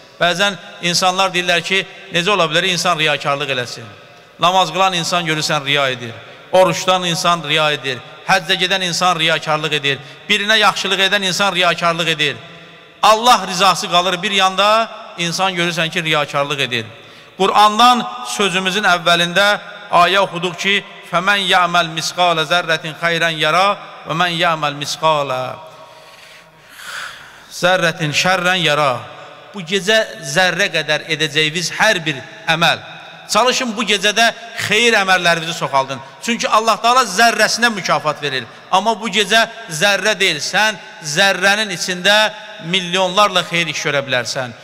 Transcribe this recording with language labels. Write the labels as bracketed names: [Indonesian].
[Azerbaijani] Bəzən insanlar deyirlər ki, necə ola bilər insan riyakarlıq eləsin? Namaz qılan insan görürsən riya edir, oruçdan insan riya edir, həccə gedən insan riyakarlıq edir, birinə yaxşılıq edən insan riyakarlıq edir, Allah rizası qalır bir yanda, insan görürsən ki, riyakarlıq edir. Qurandan sözümüzün əvvəlində ayə oxuduq ki, [Arabic] فَمَنْ يَعْمَلْ مِسْقَالَ زَرَّةٍ خَيْرًا يَرَى وَمَنْ يَعْمَلْ مِسْقَالَ زَرَّةٍ شَرًّا يَرَى. [Azerbaijani] Bu gecə zərrə qədər edəcəyimiz hər bir əməl, çalışın bu gecədə xeyir əmərlərinizi soxaldın. Çünki Allah Taala zərrəsinə mükafat verir. Amma bu gecə zərrə deyil, sən zərrənin içində milyonlarla xeyir iş görə bilərsən.